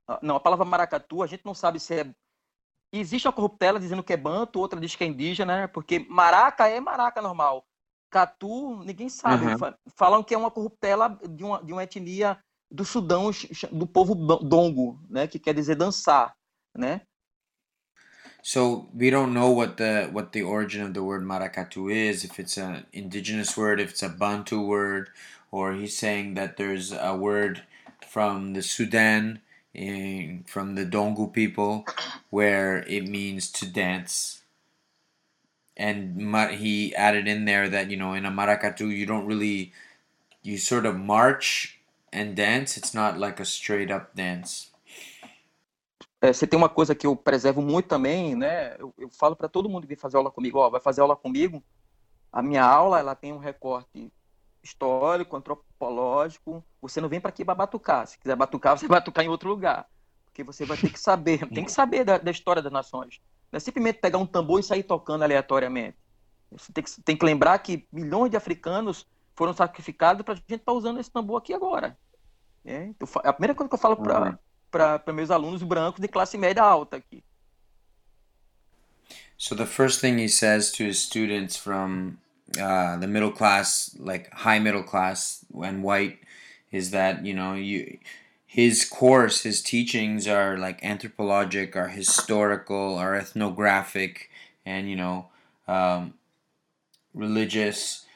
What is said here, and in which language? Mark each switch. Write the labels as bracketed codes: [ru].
[pt] Não, a palavra maracatu, a gente não sabe se é... Existe uma corruptela dizendo que é banto, outra diz que é indígena, né? Porque maraca é maraca normal. Catu, ninguém sabe. Uhum. Falam que é uma corruptela de uma etnia do Sudão, do povo dongo, né? Que quer dizer dançar, né? [en] So we don't know what the origin of the word maracatu is, if it's an indigenous word, if it's a Bantu word, or he's saying that there's a word from the Sudan, from the Dongu people, where it means to dance. And he added in there that, you know, in a maracatu, you sort of march and dance. It's not like a straight up dance. [pt] Você tem uma coisa que eu preservo muito também, né? Eu falo para todo mundo que vem fazer aula comigo, ó, vai fazer aula comigo. A minha aula, ela tem um recorte histórico, antropológico. Você não vem para aqui batucar. Se quiser batucar, você vai batucar em outro lugar. Porque você vai ter que saber, tem que saber da história das nações. Não é simplesmente pegar um tambor e sair tocando aleatoriamente. Você tem que lembrar que milhões de africanos foram sacrificados para a gente estar usando esse tambor aqui agora. É, a primeira coisa que eu falo para... para meus alunos brancos de classe média alta aqui. [en] So the first thing he says to his students from the middle class, like high middle class and white, is that, you know, his teachings are like anthropologic, are historical, are ethnographic, and, you know, religious.